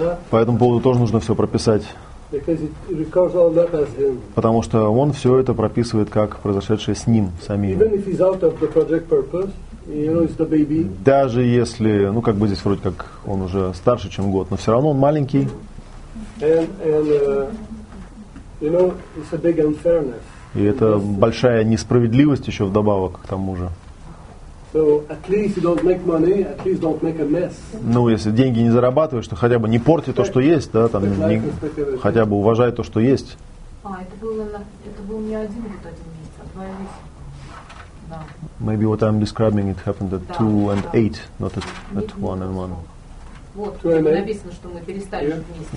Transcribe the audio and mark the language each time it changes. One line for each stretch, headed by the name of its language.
Russian: По этому поводу тоже нужно все прописать.
English: Because it records all that as him.
Russian: Потому что он все это прописывает как произошедшее с ним самим.
English: Even if he's out of the project purpose, you know, it's the baby.
Russian: Даже если, ну как бы здесь вроде как он уже старше, чем год, но все равно он маленький.
English: And you know, it's a big unfairness.
Russian: И это большая несправедливость еще вдобавок к тому же.
English: So at least you don't make money, at least don't make a mess.
Russian: Ну, если деньги не зарабатываешь, то хотя бы не порти то, что есть, да, там не, хотя бы уважай то, что есть. Это был не один год, один месяц, а два месяца. Да.
English: Maybe what I'm describing it happened at 2 and 8, not at 1 and 1.
Russian: Вот, написано, что мы перестали вместе.